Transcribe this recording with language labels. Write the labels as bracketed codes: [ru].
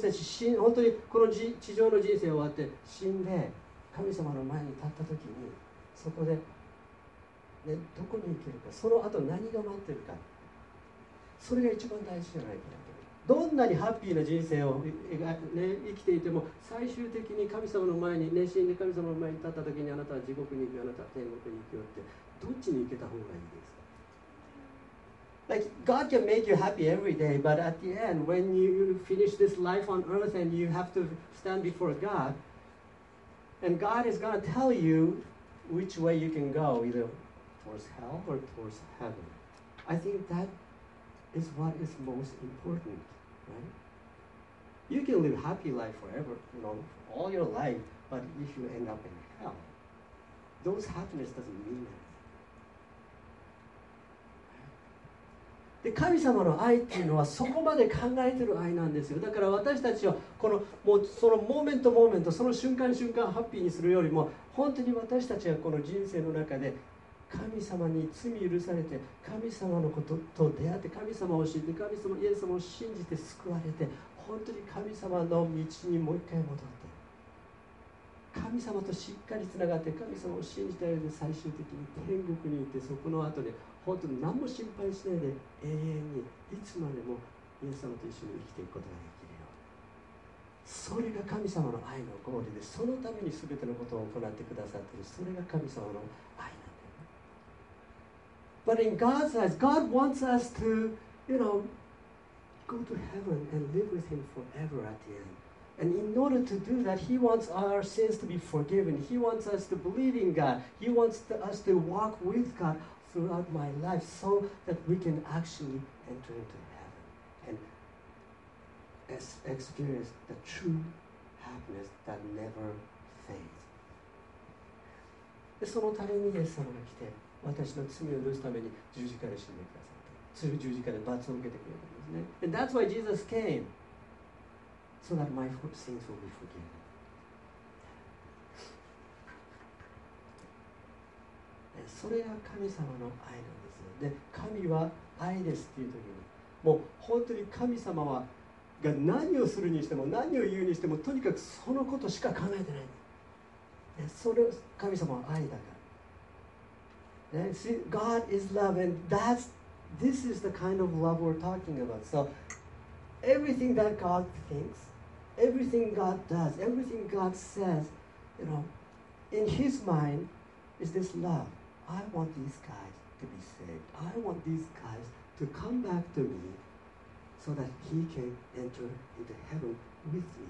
[ja] 私たち本当にこの地上の人生終わって死んで神様の前に立った時に、そこで、ね、どこに行けるか、その後何が待ってるか、それが一番大事じゃないかなと。どんなにハッピーな人生を、ね、生きていても、最終的に神様の前に、ね、死んで神様の前に立った時に、あなたは地獄に行く、あなたは天国に行くよって、どっちに行けた方がいいですか。 [en] Like, God can make you happy every day, but at the end, when you finish this life on earth and you have to stand before God, and God is going to tell you which way you can go, either towards hell or towards heaven. I think that is what is most important, right? You can live a happy life forever, you know, all your life, but if you end up in hell, those happiness doesn't mean anything. [ja] で神様の愛っていうのはそこまで考えてる愛なんですよ。だから私たちはこのもうそのモーメントモーメント、その瞬間瞬間ハッピーにするよりも、本当に私たちはこの人生の中で神様に罪許されて、神様のことと出会って、神様を知って、神様イエス様を信じて救われて、本当に神様の道にもう一回戻って、神様としっかりつながって、神様を信じた上で最終的に天国に行って、そこの後で本当に何も心配しないで永遠にいつまでもイエス様と一緒に生きていくことができるよ。それが神様の愛のゴールで、そのために全てのことを行ってくださっている、それが神様の愛なんだよ。 [en] But in God's eyes, God wants us to, you know, go to heaven and live with him forever at the end. And in order to do that, he wants our sins to be forgiven. He wants us to believe in God. He wants us to walk with GodThroughout my life, so that we can actually enter into heaven and experience the true happiness that never fades. [ja] で、そのためにイエス様が来て、私の罪を許すために十字架で死んでくださって、十字架で罰を受けてくれたんですね。 [en] And that's why Jesus came, so that my sins will be forgiven. [ja] それが神様の愛なんですよ。で、神は愛ですっていう時に、もう本当に神様はが何をするにしても、何を言うにしても、とにかくそのことしか考えてない。で、それ神様は愛だから。 [en] And see, God is love, and this is the kind of love we're talking about. So, everything that God thinks, everything God does, everything God says, you know, in His mind is this love. I want these guys to be saved. I want these guys to come back to me so that he can enter into heaven with me.